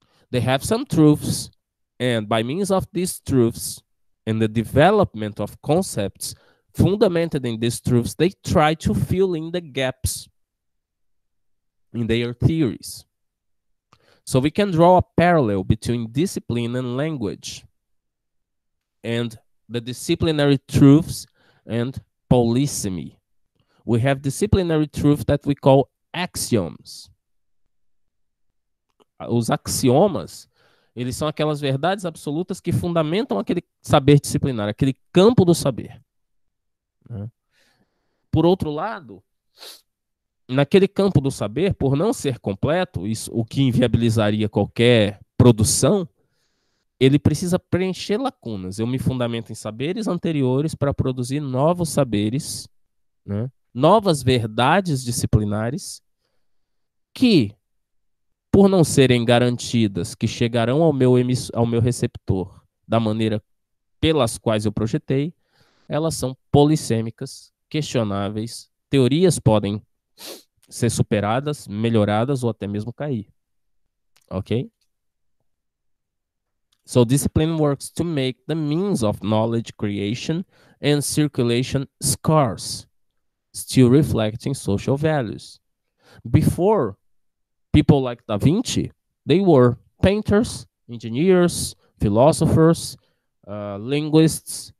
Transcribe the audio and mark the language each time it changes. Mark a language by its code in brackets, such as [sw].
[en] They have some truths, and by means of these truths and the development of concepts fundamented in these truths, they try to fill in the gaps in their theories. So we can draw a parallel between discipline and language and the disciplinary truths and polysemy. We have disciplinary truths that we call axioms. [pt] Os axiomas, eles são aquelas verdades absolutas que fundamentam aquele saber disciplinar, aquele campo do saber. por outro lado, naquele campo do saber, por não ser completo, isso, o que inviabilizaria qualquer produção, ele precisa preencher lacunas. Eu me fundamento em saberes anteriores para produzir novos saberes, né? Novas verdades disciplinares que, por não serem garantidas, que chegarão ao meu, receptor da maneira pelas quais eu projetei, elas são polissêmicas, questionáveis, teorias podem ser superadas, melhoradas ou até mesmo cair. Ok? [en] So discipline works to make the means of knowledge creation and circulation scarce, still reflecting social values. Before people like Da Vinci, they were painters, engineers, philosophers, linguists.